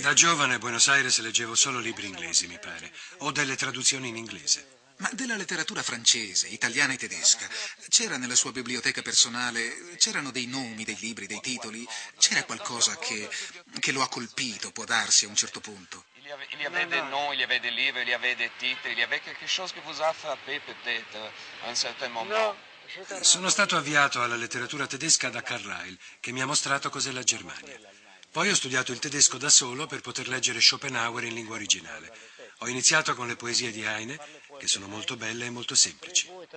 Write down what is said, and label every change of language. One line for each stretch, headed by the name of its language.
Italian: Da giovane a Buenos Aires leggevo solo libri inglesi, mi pare, o delle traduzioni in inglese. Ma della letteratura francese, italiana e tedesca, c'era nella sua biblioteca personale, c'erano dei nomi, dei libri, dei titoli, c'era qualcosa che lo ha colpito, può darsi, a un certo punto?
French: Il y avait des noms, il y avait des livres, il y avait des titoli, il y avait quelque chose que vous a frappé peut-être, a un certain moment.
Italian: Sono stato avviato alla letteratura tedesca da Carlyle, che mi ha mostrato cos'è la Germania. Poi ho studiato il tedesco da solo per poter leggere Schopenhauer in lingua originale. Ho iniziato con le poesie di Heine, che sono molto belle e molto semplici.